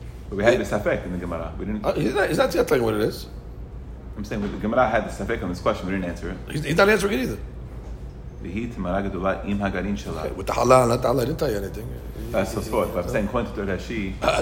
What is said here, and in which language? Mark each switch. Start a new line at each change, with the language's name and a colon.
English: But we had the safek in the Gemara. We didn't. He's not yet telling what it is. I'm saying the Gemara had the safek on this question, we didn't answer it. He's not answering it either.
Hebrew: והיא תמרה גדולה עם הגרעין שלה.
English: With the halal, not the halal, I didn't tell you anything. That's so forth, but I'm saying, according to Rashi.